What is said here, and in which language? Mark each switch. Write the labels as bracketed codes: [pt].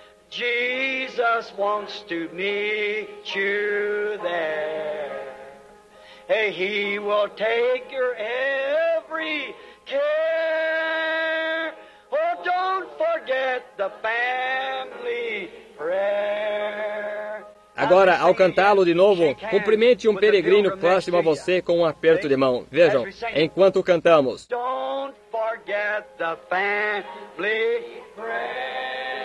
[en] Jesus wants to meet you there. He will take your every care. Oh, don't forget the family prayer. [pt] Agora, ao cantá-lo de novo, cumprimente um peregrino próximo a você com um aperto de mão. Vejam, enquanto cantamos. [en] Don't forget the family prayer.